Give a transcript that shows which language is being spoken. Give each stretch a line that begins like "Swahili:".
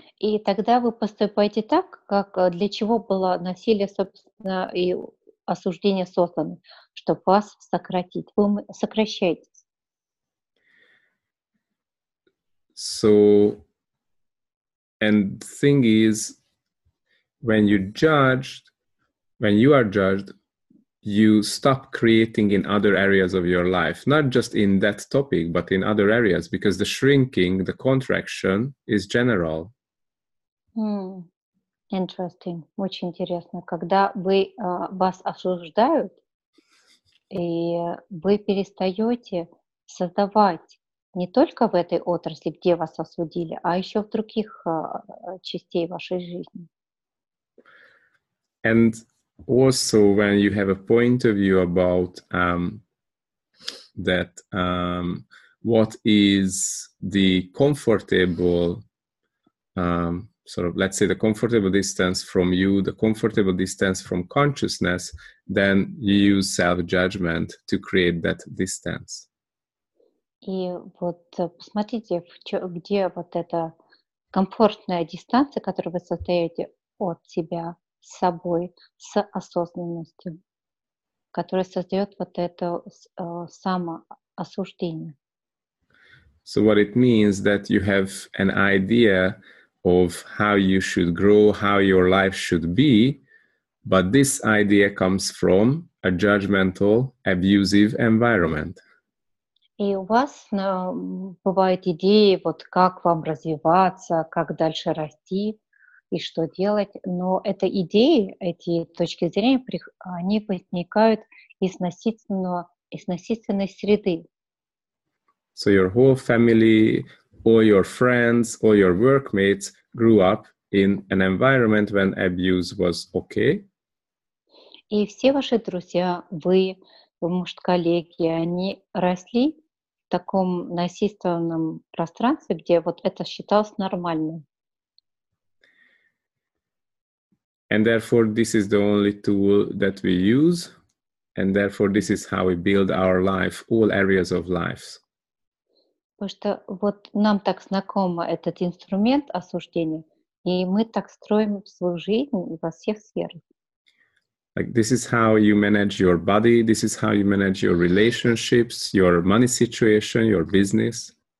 Russian: И тогда вы поступаете так, как для чего было насилие, собственно, и осуждение созданы, чтобы вас сократить. Вы сокращаетесь.
English: So, and thing is, when you judged, when you are judged, you stop creating in other areas of your life, not just in that topic, but in other areas, because the shrinking, the contraction is general. Interesting.
Russian: Очень интересно. Когда вы вас осуждают, и вы перестаете создавать не только в этой отрасли, где вас осудили, а еще в других частей вашей жизни.
English: And also when you have a point of view about that what is the comfortable sort of, let's say, the comfortable distance from you, the comfortable distance from consciousness, then you use self-judgment to create that distance.
Russian: И вот посмотрите, где вот эта комфортная дистанция, которую вы создаете от себя, с собой, с осознанностью, которая создает вот это самоосуждение.
English: So what it means that you have an idea of how you should grow, how your life should be, but this idea comes from a judgmental, abusive environment.
Russian: И у вас бывают идеи, вот как вам развиваться, как дальше расти и что делать, но эти идеи, эти точки зрения, они возникают из насильственной среды.
English: So your whole family, all your friends, all your workmates grew up in an environment when abuse was okay.
Russian: И все ваши друзья, вы, может, коллеги, они росли в таком насильственном пространстве, где вот это считалось нормальным.
English: And therefore, this is the only tool that we use. And therefore, this is how we build our life, all areas of lives.
Russian: Потому что вот нам так знаком этот инструмент осуждения, и мы так строим свою жизнь во всех сферах.
English: Like this is how you manage your body, this is how you manage your relationships, your money situation, your business.